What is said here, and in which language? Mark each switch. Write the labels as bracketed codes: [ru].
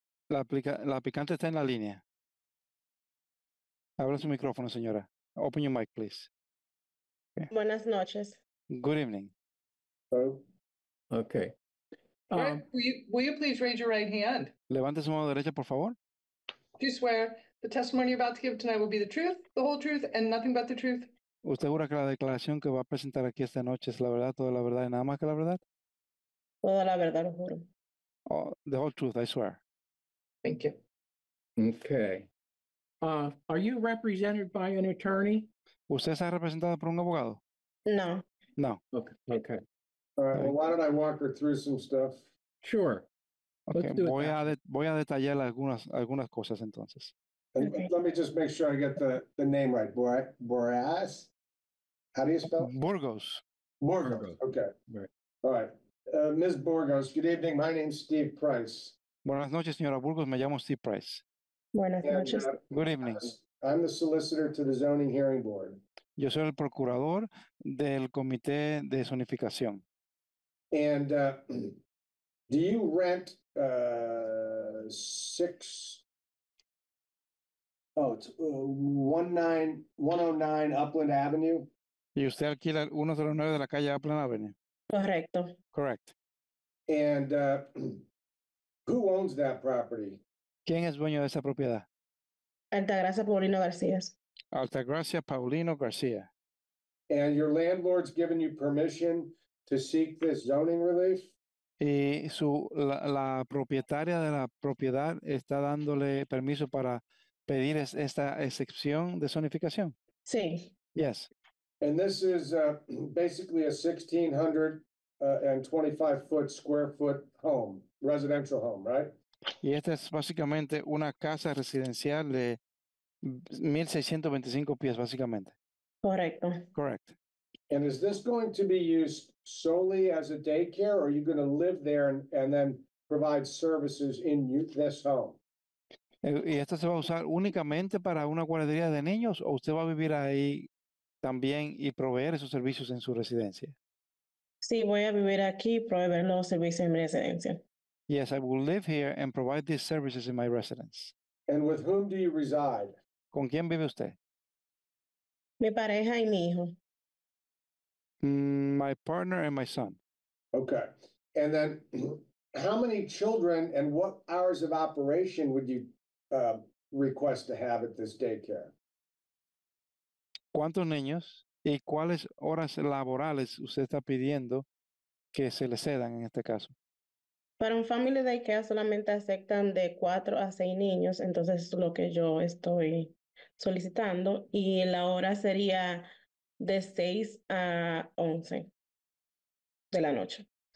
[es] La aplicante está en la línea. Abre su micrófono, señora. [en] Open your mic, please. [es] Okay. Buenas noches. [en] Good evening. Hello. Okay. Will you please raise your right hand? [es] Levante su mano derecha, por favor. [en] Do you swear the testimony you're about to give tonight will be the truth, the whole truth, and nothing but the truth? [es] ¿Usted jura que la declaración que va a presentar aquí esta noche es la verdad, toda la verdad y nada más que la verdad? Toda la verdad, lo juro. [en] Oh, the whole truth, I swear. Thank you. Okay. Are you represented by an attorney? [es] ¿Usted está representado por un abogado? No. [en] No. Okay. All right. Well, why don't I walk her through some stuff? Sure. [es] Okay. Voy a detallar algunas cosas entonces. [en] Okay. Let me just make sure I get the name right. Boraz? How do you spell? Burgos. Okay. Right. All right. Ms. Burgos, good evening. My name's Steve Price. [es] Buenas noches, señora Burgos. Me llamo Steve Price. Buenas noches. [en] Good evening. I'm the solicitor to the zoning hearing board. [es] Yo soy el procurador del comité de zonificación. [en] And do you rent it's 109 Upland Avenue? [es] Y usted alquila 109 de la calle Upland Avenue. Correcto. [en] Correct. And who owns that property? [es] ¿Quién es dueño de esa propiedad? Altagracia Paulino García. [en] Altagracia Paulino García. And your landlord's given you permission to seek this zoning relief? [es] Y su la propietaria de la propiedad está dándole permiso para pedir esta excepción de zonificación. Sí. [en] Yes. And this is basically a 1,625-foot square foot home, residential home, right? [es] Y esta es básicamente una casa residencial de 1,625 pies, básicamente. Correcto. [en] Correct. And is this going to be used solely as a daycare, or are you going to live there and then provide services in this home? [es] ¿Y esta se va a usar únicamente para una guardería de niños, o usted va a vivir ahí también y proveer esos servicios en su residencia? Sí, voy a vivir aquí y proveer los servicios en mi residencia. [en] Yes, I will live here and provide these services in my residence. And with whom do you reside? [es] ¿Con quién vive usted? Mi pareja y mi hijo. [en] My partner and my son. Okay. And then how many children and what hours of operation would you request to have at this daycare? [es] ¿Cuántos niños y cuáles horas laborales usted está pidiendo que se le cedan en este caso? Para un family daycare solamente aceptan de 4 a 6 niños, entonces es lo que yo estoy solicitando, y la hora sería de 6 a 11 de la noche.